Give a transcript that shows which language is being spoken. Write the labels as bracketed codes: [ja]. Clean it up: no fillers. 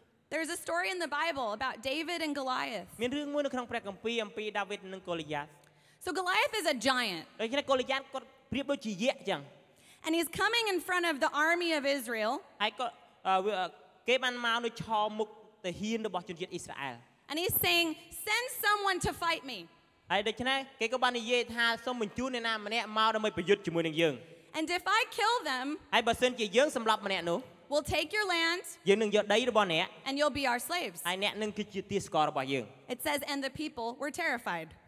[en] There's a story in the Bible about David and Goliath. [km] មានរឿងមួយនៅក្នុងព្រះគម្ពីរអំពីដាវីតនិងកូលីយ៉ាស. [en] So Goliath is a giant. [km] ដូច្នេះកូលីយ៉ាសគាត់ប្រៀបដូចជាយក្សអញ្ចឹង. [en] And he's coming in front of the army of Israel. [km] ហើយក៏គេបានមកនៅឈរមុខទាហានរបស់ជនជាតិអ៊ីស្រាអែល. [en] And he's saying, "Send someone to fight me." [km] ហើយដូច្នេះគេក៏បាននិយាយថាសូមបញ្ជូនអ្នកណាម្នាក់មកដើម្បីប្រយុទ្ធជាមួយនឹងយើង. [en] And if I kill them, [km] ហើយបើសិនជាយើងសម្លាប់ម្នាក់នោះ [en] We'll take your land. [km] យើងនឹងយកដីរបស់អ្នក [en] And you'll be our slaves. [km] ហើយអ្នកនឹងគឺជាទាសករបស់យើង [en] It says and the people were terrified.